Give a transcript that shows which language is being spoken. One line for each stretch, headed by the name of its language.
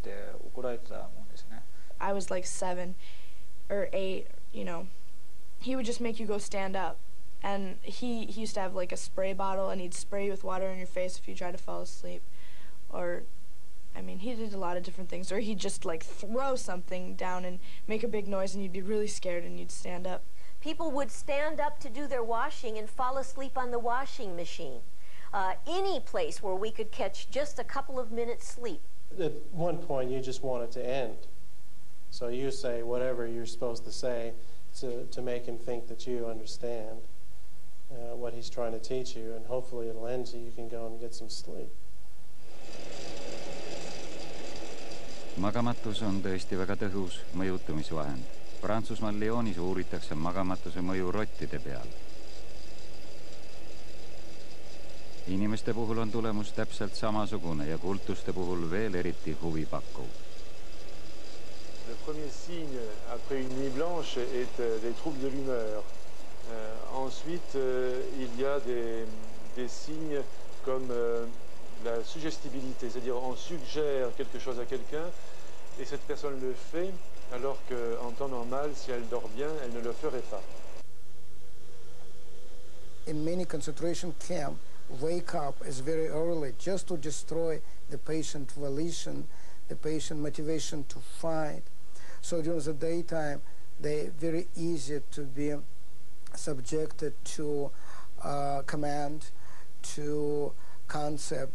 Japanese: 僕は6年間出家したんですけども、休みは1日もなかったですね。まあ寝る時間は6時間寝たら寝過ぎだって言って怒られたもんですね。
English: I was like 7 or 8, you know. He would just make you go stand up. And he used to have like a spray bottle and he'd spray you with water in your face if you try to fall asleep. Or I mean, he did a lot of different things. Or he'd just like throw something down and make a big noise and you'd be really scared and you'd stand up. People would stand up to do their washing and fall asleep on the washing machine. Any place where we could catch just a couple of minutes sleep. At one point, you just want it to end. So you say whatever you're supposed to say to make him think that you understand what he's trying to teach you, and hopefully it'll end so you can go and get some sleep.
Estonian: Magamatus on tõesti väga tõhus mõjutamisvahend. Prantsusmaal Lyonis uuritakse magamatuse mõju rottide peal. Inimeste puhul on tulemus täpselt samasugune ja kultuste puhul veel eriti huvi pakkuv.
French: Le premier signe après une nuit blanche est des troubles de l'humeur. Ensuite, il y a des signes comme la suggestibilité, c'est-à-dire on suggère quelque chose à quelqu'un et cette personne le fait. Alors que, en temps normal, si elle dort bien, elle ne le ferait pas.
English: In many concentration camps, wake up is very early just to destroy the patient's volition, the patient's motivation to fight. So during the daytime, they very easy to be subjected to command, to concept.